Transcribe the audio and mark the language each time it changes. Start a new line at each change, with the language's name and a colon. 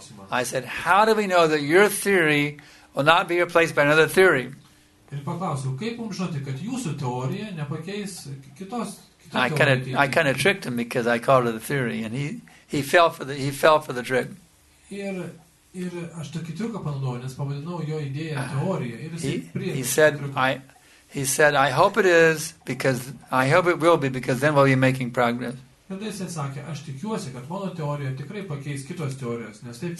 English: I said, how do we know that your theory will not be replaced by another theory?
Lithuanian: Ir paklausiau, kaip jums žinoti, kad jūsų teorija nepakeis kitos teorijos?
English: I kind of tricked him because I called it a theory, and he fell for the trick.
Lithuanian: Ir aš tokį triuką panaudojau, nes pavadinau jo idėją teorija, ir
English: he said, I hope it is, because I hope it will be, because then we'll be making progress.
Lithuanian: Aš tikiuosi, kad mano teorija tikrai pakeis kitos teorijos, nes taip.